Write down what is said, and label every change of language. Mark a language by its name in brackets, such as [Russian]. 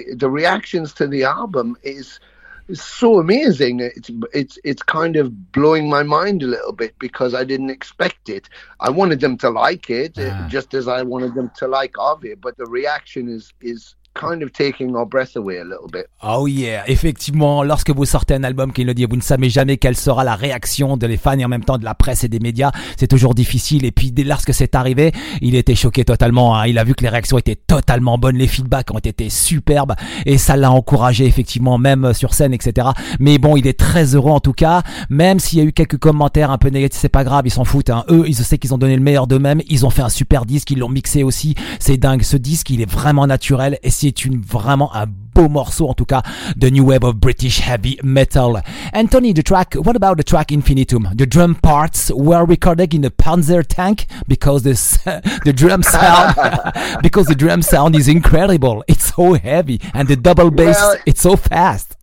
[English] The reactions to the album is so amazing. It's kind of blowing my mind a little bit, because I didn't expect it. I wanted them to like it, just as I wanted them to like Ovid, but the reaction is kind of taking our breath away a little bit. [French] Oh yeah, effectivement, lorsque vous sortez un album, qu'il le dit, vous ne savez jamais quelle sera la réaction de les fans et en même temps de la presse et des médias. C'est toujours difficile. Et puis, lorsque c'est arrivé, il était choqué totalement. Il a vu que les réactions étaient totalement bonnes, les feedbacks ont été superbes et ça l'a encouragé effectivement, même sur scène, etc. Mais bon, il est très heureux en tout cas, même s'il y a eu quelques commentaires un peu négatifs, c'est pas grave, ils s'en foutent. Eux, ils savent qu'ils ont donné le meilleur d'eux-mêmes. Ils ont fait un super disque, ils l'ont mixé aussi. C'est dingue, ce disque, il est vraiment naturel. Et c'est vraiment un beau morceau, en tout cas, the new wave of British heavy metal. [English] Anthony, the track, what about the track Infinitum? The drum parts were recorded in a Panzer tank because the drum sound because the drum sound is incredible. It's so heavy and the double bass, well, it's so fast.